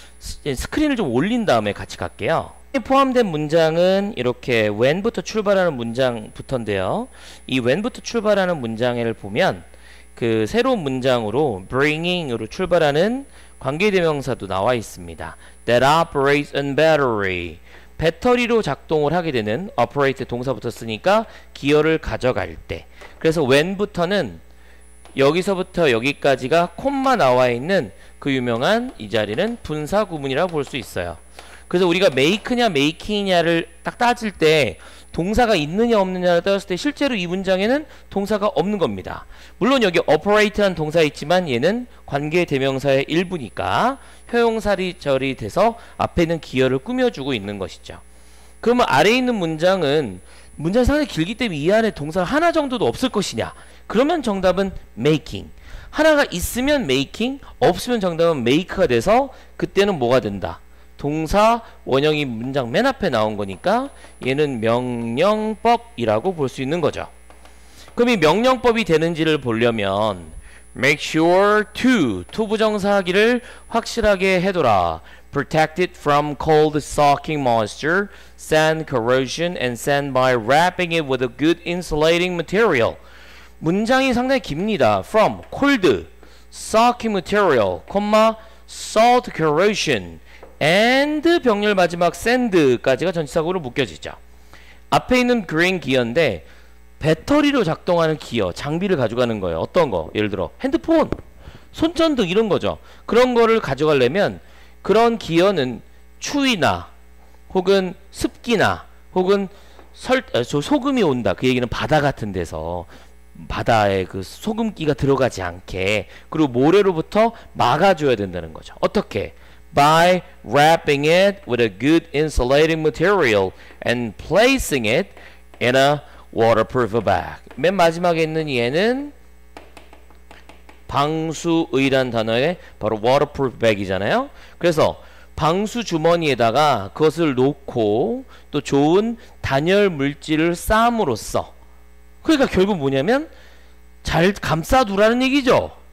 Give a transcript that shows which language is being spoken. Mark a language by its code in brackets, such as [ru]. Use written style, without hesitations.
[ko] 스크린을 좀 올린 다음에 같이 갈게요. 포함된 문장은 이렇게 when부터 출발하는 문장부터인데요. 이 when부터 출발하는 문장을 보면 그 새로운 문장으로 bringing으로 출발하는 관계대명사도 나와 있습니다. [en] That operates on battery. [ko] 배터리로 작동을 하게 되는 operate 동사부터 쓰니까 기어를 가져갈 때. 그래서 when부터는 여기서부터 여기까지가 콤마 나와 있는 그 유명한 이 자리는 분사 구문이라고 볼 수 있어요. 그래서 우리가 make냐 making냐를 딱 따질 때 동사가 있느냐 없느냐를 따졌을 때 실제로 이 문장에는 동사가 없는 겁니다. 물론 여기 operate라는 동사 있지만 얘는 관계대명사의 일부니까 효용사리절이 돼서 앞에 있는 기여를 꾸며주고 있는 것이죠. 그러면 아래에 있는 문장이 상당히 길기 때문에 이 안에 동사 하나 정도도 없을 것이냐? 그러면 정답은 making. 하나가 있으면 making, 없으면 정답은 make가 돼서 그때는 뭐가 된다? 동사 원형이 문장 맨 앞에 나온 거니까 얘는 명령법이라고 볼 수 있는 거죠. 그럼 이 명령법이 되는지를 보려면 [en] make sure to [ko] 부정사하기를 확실하게 해둬라. [en] protected from cold soaking moisture, sand corrosion, and sand by wrapping it with a good insulating material. [ko] 문장이 상당히 깁니다. [en] From cold soaking material, salt corrosion, and [ko] 병렬 마지막 [en] sand까지가 [ko] 전치사구로 묶여지죠. 앞에 있는 green 기어인데 배터리로 작동하는 기어, 장비를 가져가는 거예요. 어떤 거? 예를 들어 핸드폰, 손전등 이런 거죠. 그런 거를 가져가려면 그런 기어는 추위나 혹은 습기나 혹은 소금이 온다. 그 얘기는 바다 같은 데서 바다에 그 소금기가 들어가지 않게 그리고 모래로부터 막아줘야 된다는 거죠. 어떻게? [en] By wrapping it with a good insulating material and placing it in a waterproof bag. [ko] 맨 마지막에 있는 얘는 방수의란 단어에 바로 waterproof bag이잖아요. 그래서 방수주머니에다가 그것을 놓고 또 좋은 단열 물질을 쌈으로써 그러니까 결국 뭐냐면 잘 감싸두라는 얘기죠.